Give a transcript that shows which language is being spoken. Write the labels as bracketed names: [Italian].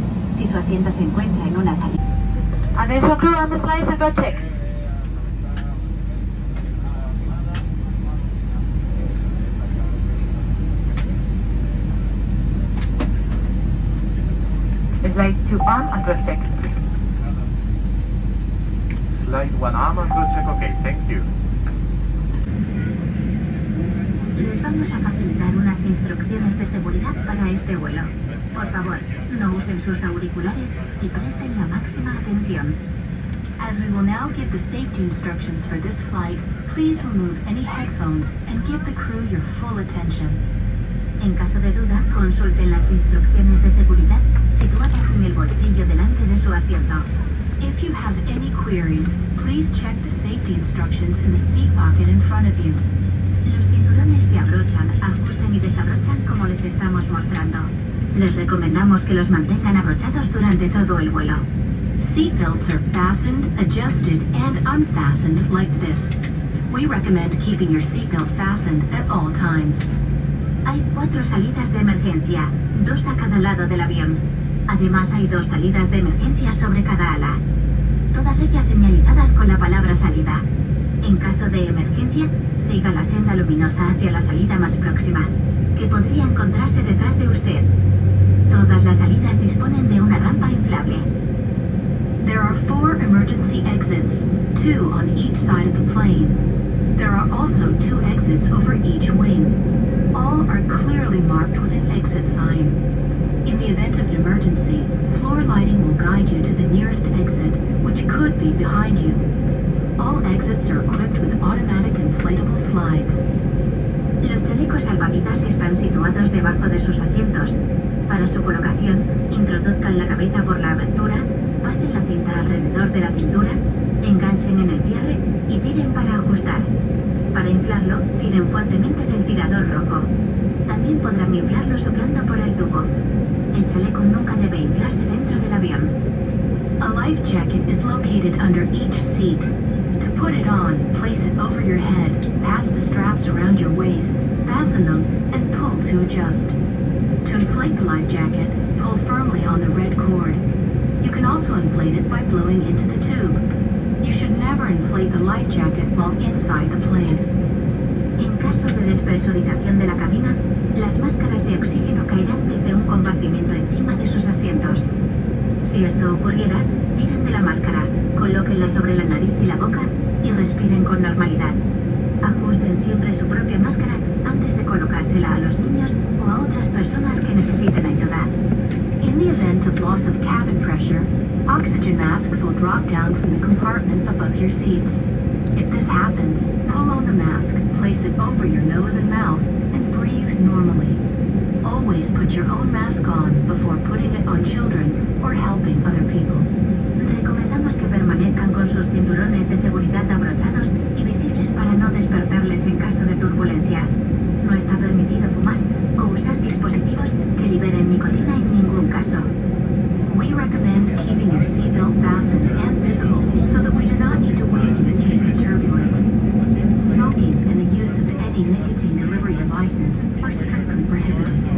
[Spanish] Si su asiento se encuentra en una salida. [English] Attention crew, on the slides and go check. Slide 2 arm and go check, please. Slide 1 arm and go check, okay, thank you. [Spanish] Les vamos a facilitar unas instrucciones de seguridad para este vuelo. Por favor, no usen sus auriculares y presten la máxima atención. [English] As we will now give the safety instructions for this flight, please remove any headphones and give the crew your full attention. [Spanish] En caso de duda, consulten las instrucciones de seguridad situadas en el bolsillo delante de su asiento. [English] If you have any queries, please check the safety instructions in the seat pocket in front of you. [Spanish] Los cinturones se abrochan, ajusten y desabrochan como les estamos mostrando. Les recomendamos que los mantengan abrochados durante todo el vuelo. [English] Seatbelts are fastened, adjusted, and unfastened like this. We recommend keeping your seatbelt fastened at all times. [Spanish] Hay 4 salidas de emergencia, 2 a cada lado del avión. Además hay 2 salidas de emergencia sobre cada ala. Todas ellas señalizadas con la palabra salida. En caso de emergencia, siga la senda luminosa hacia la salida más próxima, que podría encontrarse detrás de usted. Todas las salidas disponen de una rampa inflable. [English] There are 4 emergency exits, 2 on each side of the plane. There are also 2 exits over each wing. All are clearly marked with an exit sign. In the event of an emergency, floor lighting will guide you to the nearest exit, which could be behind you. All exits are equipped with automatic inflatable slides. [Spanish] Los chalecos salvavidas están situados debajo de sus asientos. Para su colocación, introduzcan la cabeza por la abertura, pasen la cinta alrededor de la cintura, enganchen en el cierre y tiren para ajustar. Para inflarlo, tiren fuertemente del tirador rojo. También podrán inflarlo soplando por el tubo. El chaleco nunca debe inflarse dentro del avión. [English] A life jacket is located under each seat. To put it on, place it over your head, pass the straps around your waist, fasten them, and pull to adjust. To inflate the life jacket, pull firmly on the red cord. You can also inflate it by blowing into the tube. You should never inflate the life jacket while inside the plane. [Spanish] En caso de despresurización de la cabina, las máscaras de oxígeno caerán desde un compartimento encima de sus asientos. Si esto ocurriera, tiren de la máscara, colóquenla sobre la nariz y la boca y respiren con normalidad. Ajusten siempre su propia máscara antes de colocársela a los niños o a otras personas que necesiten ayuda. [English] In the event of loss of cabin pressure, oxygen masks will drop down from the compartment above your seats. If this happens, pull on the mask, place it over your nose and mouth, and breathe normally. Always put your own mask on before putting it on children or helping other people. [Spanish] Recomendamos que permanezcan con sus cinturones de seguridad abrochados y visibles para no despertarles en caso de turbulencias. No está permitido fumar o usar dispositivos que liberen nicotina en ningún caso. [English] We recommend keeping your seatbelt fastened and visible so that we do not need to wake you in case of turbulence. Smoking and the use of any nicotine delivery devices are strictly prohibited.